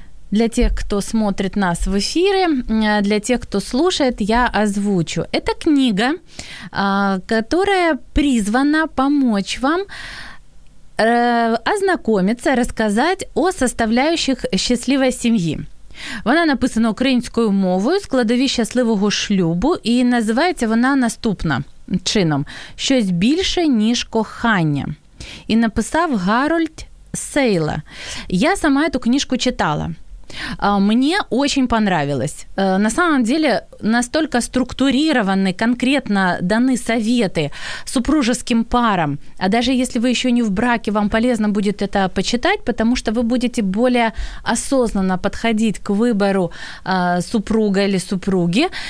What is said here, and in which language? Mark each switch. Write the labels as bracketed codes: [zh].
[ru] Для тех, кто смотрит нас в эфире, для тех, кто слушает, я озвучу. Это книга, которая призвана помочь вам ознакомиться, рассказать о составляющих счастливой семьи. [uk] Вона написана українською мовою «Складові щасливого шлюбу» і називається вона наступним чином «Щось більше, ніж кохання». І написав Гарольд Сейла. [ru] Я сама эту книжку читала. Мне очень понравилось. На самом деле, настолько структурированы, конкретно даны советы супружеским парам, а даже если вы еще не в браке, вам полезно будет это почитать, потому что вы будете более осознанно подходить к выбору супруга или супруги.